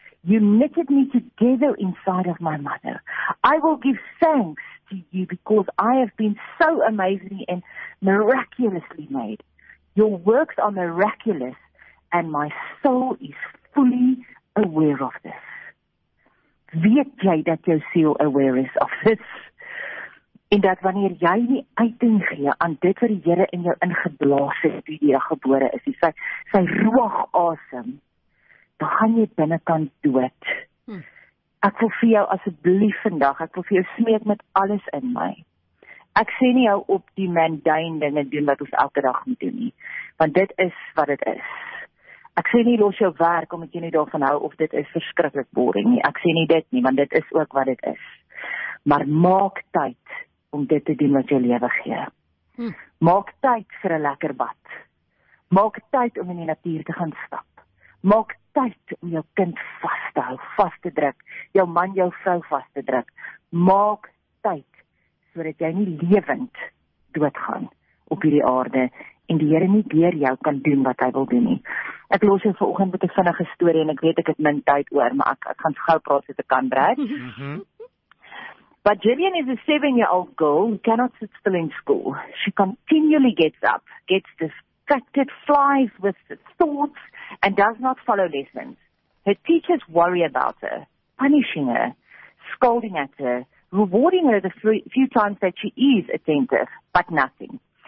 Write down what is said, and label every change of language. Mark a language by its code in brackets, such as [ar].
[en] You knitted me together inside of my mother. I will give thanks to you because I have been so amazingly and miraculously made. Your works are miraculous and my soul is fully aware of this. [af] Weet jy dat jou siel [en] aware is of this? [af] En dat wanneer jy nie uiting gee aan dit wat die Here in jou ingeblaas het, die jy gebore is, sy ruag asem, dan gaan jy binnenkant dood. Ek wil vir jou asseblief vandag, ek wil vir jou smeek met alles in my. Ek sê nie jou op die mundane dinge doen wat ons elke dag moet doen nie, want dit is wat dit is. Ek sê nie los jou werk omdat jy nie daarvan hou of dit is verskriklik boring nie. Ek sê nie dit nie, want dit is ook wat dit is. Maar maak tyd om dit te doen wat jou lewe gee. Maak tyd vir 'n lekker bad. Maak tyd om in die natuur te gaan stap. Maak tyd om jou kind vas te hou, vas te druk, jou man, jou vrou vas te druk. Maak tyd sodat jy nie lewend doodgaan op hierdie aarde en die Here nie deur jou kan doen wat hy wil doen nie. Ek los jou vanoggend met 'n vinnige storie en ek weet ek het min tyd oor, maar ek gaan gou praat so ek kan breek. [en] But Jillian is a 7-year-old girl who cannot sit still in school. She continually gets up, gets distracted, flies with thoughts, and does not follow lessons. Her teachers worry about her, punishing her, scolding at her, rewarding her the few times that she is attentive, but nothing.